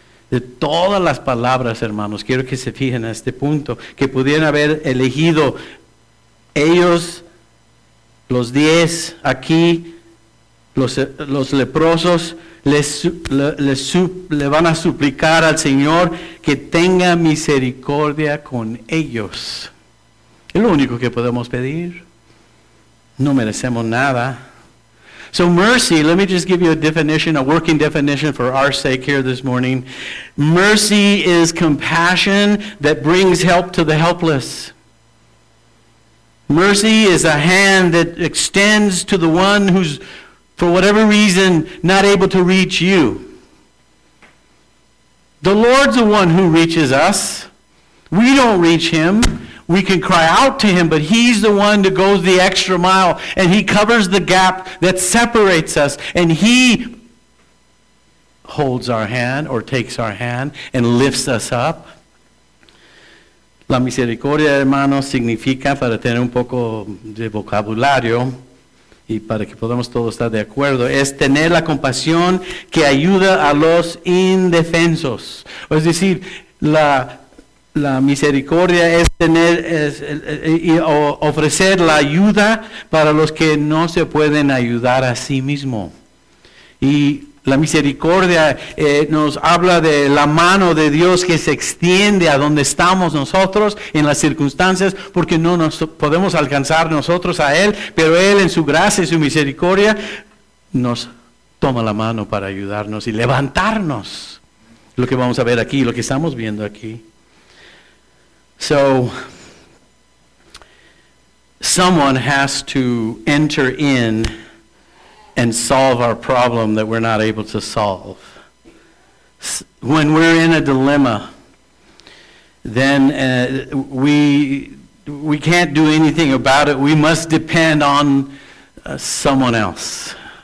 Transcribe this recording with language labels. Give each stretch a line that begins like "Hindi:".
Spanish: De todas las palabras, hermanos, quiero que se fijen a este punto. Que pudieran haber elegido ellos Los diez aquí, los leprosos, le van a suplicar al Señor que tenga misericordia con ellos. Es lo único que podemos pedir. No merecemos nada.
English: So mercy, let me just give you a definition, a working definition for our sake here this morning. Mercy is compassion that brings help to the helpless. Mercy is a hand that extends to the one who's, for whatever reason, not able to reach you. The Lord's the one who reaches us. We don't reach him. We can cry out to him, but he's the one that goes the extra mile, and he covers the gap that separates us, and he holds our hand or takes our hand and lifts us up.
Spanish: La misericordia, hermanos, significa, para tener un poco de vocabulario y para que podamos todos estar de acuerdo, es tener la compasión que ayuda a los indefensos. Es decir, la misericordia es tener o ofrecer la ayuda para los que no se pueden ayudar a sí mismo. Y la misericordia nos habla de la mano de Dios que se extiende a donde estamos nosotros en las circunstancias, porque no nos podemos alcanzar nosotros a Él, pero Él en su gracia y su misericordia nos toma la mano para ayudarnos y levantarnos. Lo que vamos a ver aquí, lo que estamos viendo aquí.
English: So, someone has to enter in and solve our problem that we're not able to solve. When we're in a dilemma, then we can't do anything about it. We must depend on someone else.